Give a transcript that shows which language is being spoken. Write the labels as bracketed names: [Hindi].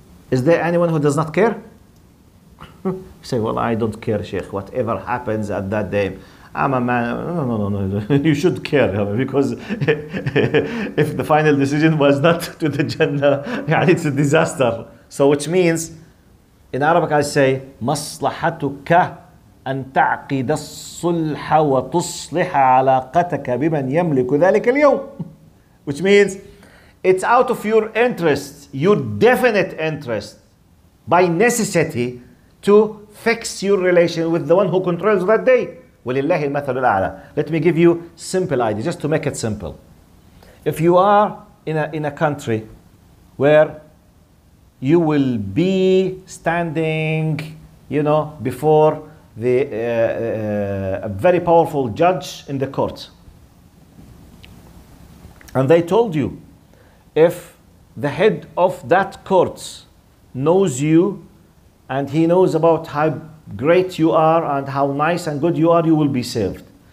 [English] Is there anyone who does not care? Say, well, I don't care, Sheikh, whatever happens at that day. I'm a man. No. You should care, because if the final decision was not to the Jannah, it's a disaster. So which means, in Arabic I say, [Arabic] مَصْلَحَتُكَ أَن تَعْقِدَ الصُّلْحَ وَتُصْلِحَ عَلَاقَتَكَ بِمَن يَمْلِكُ ذَلِكَ الْيَوْمِ. [English] Which means, it's out of your interest, your definite interest, by necessity, to fix your relation with the one who controls that day. [Arabic] وللله المثل الأعلى. [English] Let me give you simple idea, just to make it simple. If you are in a country where you will be standing, you know, before the a very powerful judge in the court, and they told you, if the head of that court knows you and he knows about how great you are and how nice and good you are, you will be saved.